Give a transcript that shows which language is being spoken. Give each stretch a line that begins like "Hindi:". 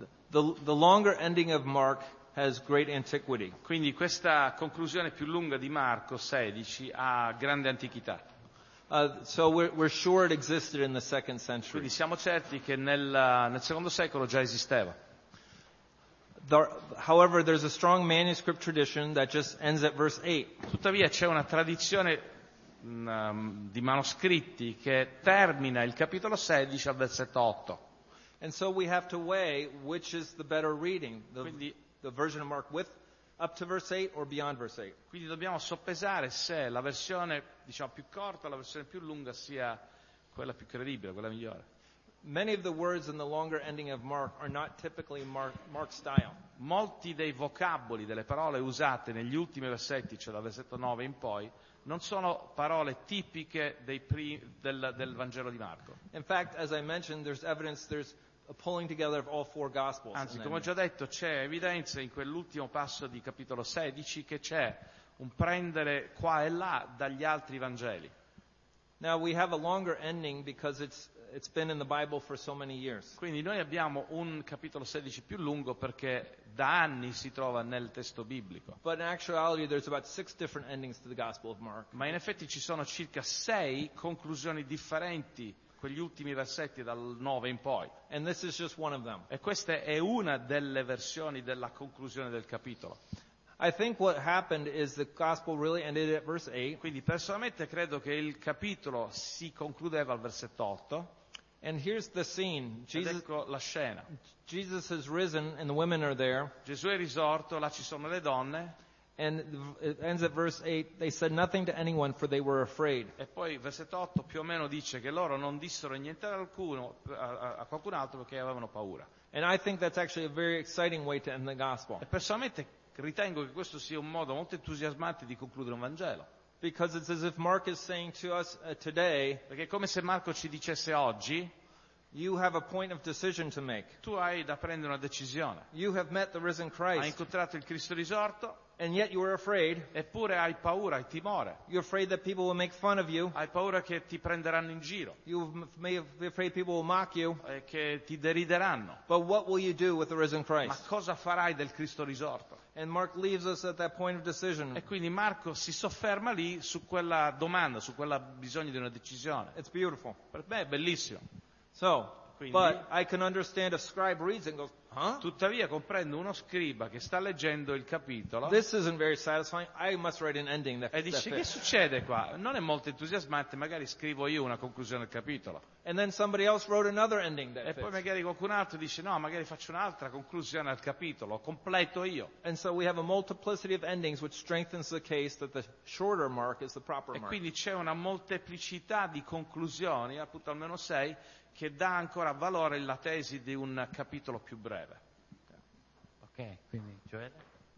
English: The longer ending of Mark has great antiquity.
Italian: Quindi questa conclusione più lunga di Marco 16 ha grande antichità.
English: So we're sure it existed in the second century.
Italian: Quindi siamo certi che nel secondo secolo già esisteva.
English: However, there's a strong manuscript tradition that just ends at verse 8.
Italian: Tuttavia c'è una tradizione di manoscritti che termina il capitolo 16 al versetto 8.
English: And so we have to weigh which is the better reading, the version of Mark with up to verse 8 or beyond verse 8.
Italian: Quindi dobbiamo soppesare se la versione, diciamo, più corta o la versione più lunga sia quella più credibile, quella migliore.
English: Many of the words in the longer ending of Mark are not typically Mark's style.
Italian: Molti dei vocaboli, delle parole usate negli ultimi versetti, cioè dal versetto 9 in poi, non sono parole tipiche del Vangelo di Marco.
English: In fact, as I mentioned, there's evidence there's a pulling together of all four gospels.
Italian: Anzi, come ho già detto, c'è evidenza in quell'ultimo passo di capitolo 16 che c'è un prendere qua e là dagli altri Vangeli.
English: Now we have a longer ending because it's been in the Bible for so many years.
Italian: Quindi noi abbiamo un capitolo 16 più lungo perché da anni si trova nel testo biblico.
English: But in actuality there's about six different endings to the Gospel of Mark.
Italian: Ma in effetti ci sono circa sei conclusioni differenti quegli ultimi versetti dal 9 in poi.
English: And this is just one of them.
Italian: E questa è una delle versioni della conclusione del capitolo.
English: I think what happened is the gospel really ended at verse 8.
Italian: Quindi personalmente credo che il capitolo si concludeva al versetto 8.
English: And here's the scene. Jesus,
Italian: ed ecco la scena.
English: Jesus has risen and the women are there.
Italian: Gesù è risorto, là ci sono le donne.
English: And it ends at verse 8. They said nothing to anyone for they were afraid.
Italian: E poi versetto 8 più o meno dice che loro non dissero niente a qualcun altro perché avevano paura.
English: And I think that's actually a very exciting way to end the gospel.
Italian: E personalmente ritengo che questo sia un modo molto entusiasmante di concludere un Vangelo.
English: Because it's as if Mark is saying to us today,
Italian: perché è come se Marco ci dicesse oggi,
English: you have a point of decision to make.
Italian: Tu hai da prendere una decisione.
English: You have met the risen Christ.
Italian: Hai incontrato il Cristo risorto.
English: And yet you are afraid.
Italian: Eppure hai paura, hai timore.
English: You're afraid that people will make fun of you.
Italian: Hai paura che ti prenderanno in giro.
English: You may be afraid people will mock you.
Italian: E che ti derideranno.
English: But what will you do with the risen Christ?
Italian: Ma cosa farai del Cristo risorto?
English: And Mark leaves us at that point of decision.
Italian: E quindi Marco si sofferma lì su quella domanda, su quella bisogno di una decisione.
English: It's beautiful.
Italian: Per me è bellissimo.
English: So, quindi, but I can understand a scribe reads and goes, huh?
Italian: Tuttavia comprendo uno scriba che sta leggendo il capitolo.
English: This isn't very satisfying. I must write an ending that.
Italian: E dice che succede qua? Non è molto entusiasmante. Magari scrivo io una conclusione al capitolo.
English: And then somebody else wrote another ending that.
Italian: E poi magari qualcun altro dice no, magari faccio un'altra conclusione al capitolo, completo io.
English: And so we have a multiplicity of endings which strengthens the case that the shorter mark is the proper mark.
Italian: E quindi c'è una molteplicità di conclusioni, appunto almeno sei, che dà ancora valore alla tesi di un capitolo più breve. Ok, quindi Gioele?